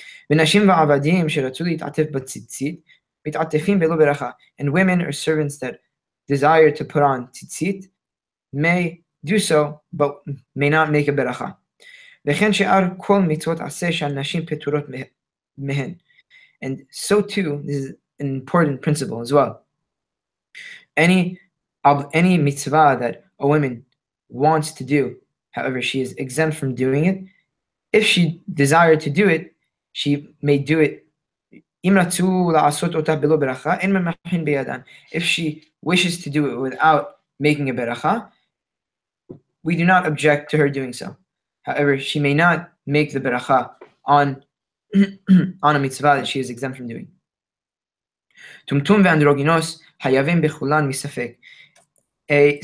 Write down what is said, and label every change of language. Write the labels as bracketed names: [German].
[Hebrew] ונשים ועבדים שרצו להתעטף בציצית מתעטפים בלא ברכה. [English] And women or servants that desire to put on tzitzit may do so, but may not make a beracha. [Hebrew] וכן שאר כל מצוות עשה שהנשים פטורות מהן. [English] And so too, this is an important principle as well. Any mitzvah that a woman wants to do, however, she is exempt from doing it. If she desired to do it, she may do it. [Hebrew] אם רצו לעשות אותה בלא ברכה, אין ממחין בידן. [English] If she wishes to do it without making a beracha, we do not object to her doing so. However, she may not make the beracha on on a mitzvah that she is exempt from doing. [Hebrew] Tumtum ve'androginos hayavim bechulan misafek.